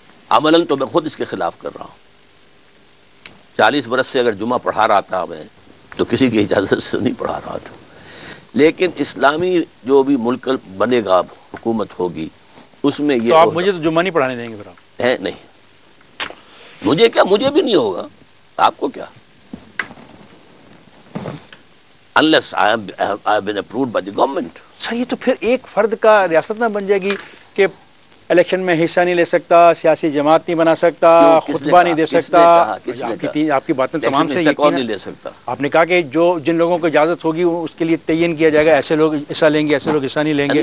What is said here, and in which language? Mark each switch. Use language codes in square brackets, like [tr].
[ur] عملاً تو میں خود اس کے خلاف کر رہا ہوں. 40 برس سے اگر جمعہ پڑھا رہا تھا میں تو کسی کی اجازت سے نہیں پڑھا رہا تھا. لیکن اسلامی جو بھی ملک بنے گا, حکومت ہوگی, اس میں یہ تو آپ مجھے تو جمعہ نہیں پڑھانے دیں گے پھر آپ ہیں؟ نہیں, مجھے کیا, مجھے بھی نہیں ہوگا, آپ کو کیا. [en] Unless I have been approved by the government. [ur] سر یہ تو پھر ایک فرد کا ریاست نہ بن جائے گی کہ الیکشن میں حصہ نہیں لے سکتا, سیاسی جماعت نہیں بنا سکتا, خطبہ نہیں دے سکتا. آپ کی باتیں تمام سے یہ کون نہیں لے سکتا. آپ نے کہا کہ جو جن لوگوں کو اجازت ہوگی اس کے لیے تعین کیا جائے گا, ایسے لوگ حصہ لیں گے, ایسے لوگ حصہ نہیں لیں گے